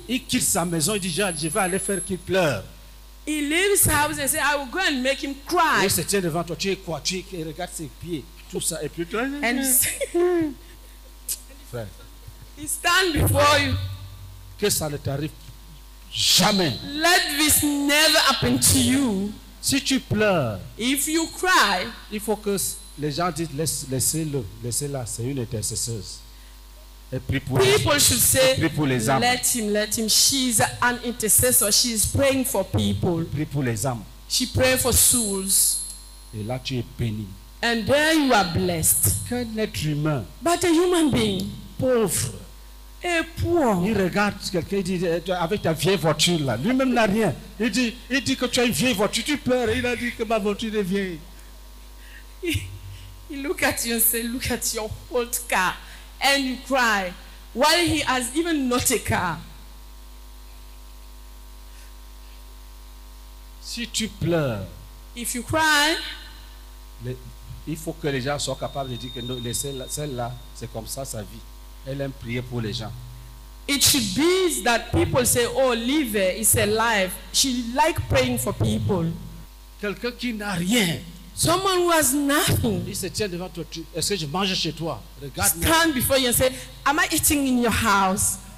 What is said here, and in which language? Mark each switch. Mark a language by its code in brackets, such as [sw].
[fr] il quitte sa maison, il dit, je vais aller faire qu'il pleure. [en] He leaves his house and says, I will go and make him cry. [fr] Il se tient devant toi, tu es quoi, tu es, regarde ses pieds, tout ça, et puis toi, [en] and [fr] frère, [en] he stand before you. [fr] Que ça ne t'arrive jamais. [en] Let this never happen to you. [fr] Si tu pleures, [en] if you cry, [fr] il faut que les gens disent, laissez-le, laissez-la, c'est une intercesseuse. [en] People should say, let him, let him. She's an intercessor. She's praying for people. [fr] Prie pour les âmes. [en] She prays for souls. [fr] Et là, tu es béni. [en] And there you are blessed. [fr] Qu'un être humain, [en] but a human being, [fr] pauvre, [en] et poor. [fr] Il regarde quelqu'un, il dit, avec ta vieille voiture là, lui-même n'a rien. Il dit que tu as une vieille voiture, tu pleures. Il a dit que ma voiture est vieille. [en] He look at you and say, look at your old car. And you cry while he has even not a car. [fr] Si tu pleures, [en] if you cry, [fr] il faut que les gens soient capables de dire que non, celle-là, c'est comme ça sa vie. Elle aime prier pour les gens. [en] It should be that people say, oh, live her, it's a life. She likes praying for people. [fr] Quelqu'un qui n'a rien. [en] Someone who has nothing. [fr] Il se tient devant toi. Est-ce que je mange chez toi? Regarde. [en] Stand before you and say, am I eating in your house?